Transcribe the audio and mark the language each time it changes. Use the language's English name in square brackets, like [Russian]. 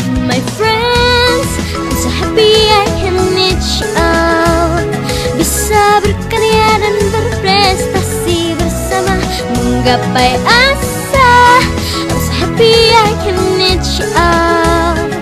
[English] My friends, I'm so happy I can meet you all. [Indonesian] Bisa berkarya dan berprestasi bersama menggapai asa. [English] I'm so happy I can meet you all.